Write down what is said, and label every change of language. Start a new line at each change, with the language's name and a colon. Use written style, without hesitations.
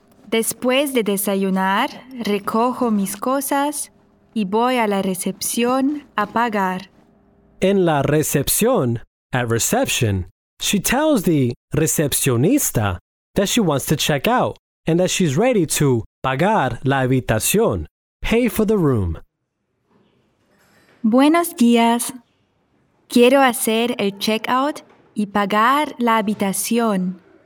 Spanish: Después de desayunar, recojo mis cosas y voy a la recepción a pagar. En la recepción,
English: at reception, she tells the recepcionista that she wants to check out and that she's ready to
Spanish: pagar la habitación,
English: pay for the room.
Spanish: Buenos días. Quiero hacer el checkout y pagar la habitación.